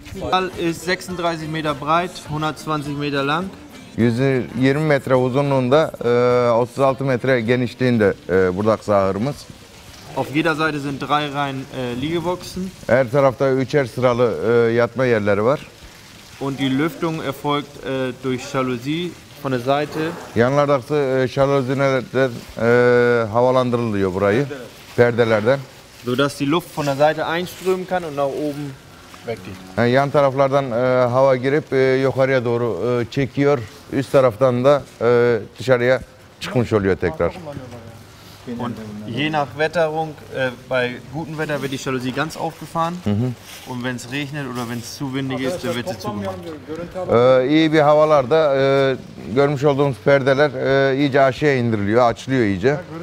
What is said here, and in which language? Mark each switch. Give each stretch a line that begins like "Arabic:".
German: Fal ist 36 Meter breit, 120 Meter lang.
Turkish: 120 metre uzunluğunda, 36 metre genişliğinde buradaki sahırımız.
German: Auf jeder Seite sind drei Reihen Liegeboxen.
Turkish: Her tarafta üçer sıralı yatma yerleri var.
German: Und die Lüftung erfolgt durch Jalousie von der Seite.
Turkish: Yanlardaki jalousilerden havalandırılıyor burayı, perdelerden.
German: Sodass die Luft von der Seite einströmen kann und nach oben weggeht.
Turkish: Yani yan taraflardan hava girip yukarıya doğru çekiyor. Üst taraftan da dışarıya çıkmış oluyor tekrar.
German: Und je nach Wetterung, bei gutem Wetter wird die Jalousie ganz aufgefahren. Und wenn es regnet oder wenn es zu windig ist, dann wird sie zugemacht.
Turkish: İyi bir havalarda görmüş olduğunuz perdeler iyice aşağıya indiriliyor, açılıyor iyice.